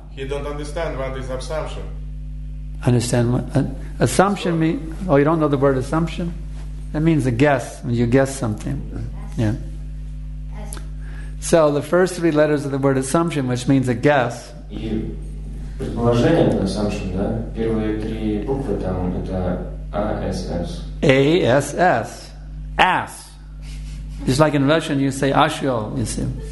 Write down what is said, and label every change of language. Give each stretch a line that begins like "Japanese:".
English: He don't understand what is assumption. Understand what? Assumption means... Oh, you don't know the word assumption? That means a guess. When you guess something. S. Yeah. S. So, the first three letters of the word assumption, which means a guess. You.
Russian: Предположение, assumption, да? Первые три буквы там, это ASS.
English: ASS. Ass. Just like in Russian, you say ashyo, you see.